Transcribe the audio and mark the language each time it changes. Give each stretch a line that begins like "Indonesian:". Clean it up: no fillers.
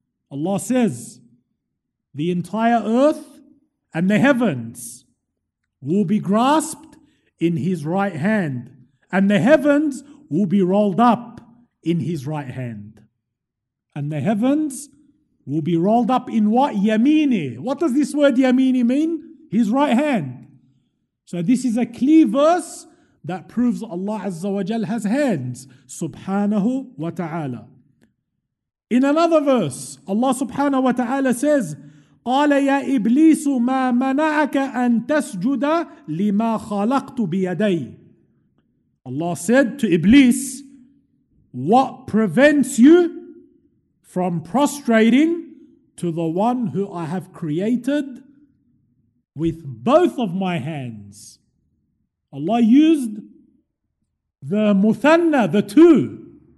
English: Allah says, the entire earth and the heavens will be grasped in His right hand, and the heavens will be rolled up in His right hand. And the heavens will be rolled up in what? Yamini. What does this word Yamini mean? His right hand. So this is a clear verse that proves Allah Azza wa Jal has hands. Subhanahu wa ta'ala. In another verse, Allah subhanahu wa ta'ala says,
Arabic: قَالَ يَا إِبْلِيسُ مَا مَنَعَكَ أَن تَسْجُدَ لِمَا خَلَقْتُ بِيَدَيْ.
English: Allah said to Iblis, what prevents you from prostrating to the one who I have created with both of my hands? Allah used the muthanna, the two.